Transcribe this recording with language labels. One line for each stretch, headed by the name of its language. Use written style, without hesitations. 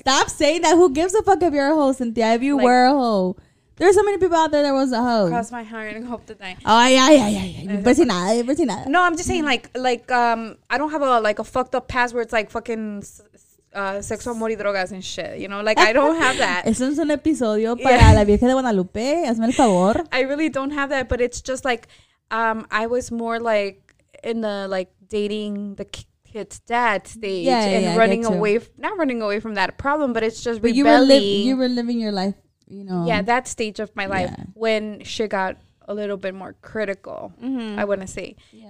English: stop saying that. Who gives a fuck if you're a hoe, Cynthia? If you like, were a hoe. There's so many people out there that was a hoe. Cross my heart and hope to die. Oh, yeah. No, I'm just saying like, I don't have a fucked up past where it's like fucking sexual mori drogas and shit. You know, like, I don't have that.
Spanish: Eso es un episodio para la Virgen de Guadalupe. Hazme el favor.
English: I really don't have that, but it's just like, I was more like in the like dating the kid's dad stage, running away, not running away from that problem, but it's just rebellion. You were living your life. You know, yeah, that stage of my life when shit got a little bit more critical, I want to say. Yeah.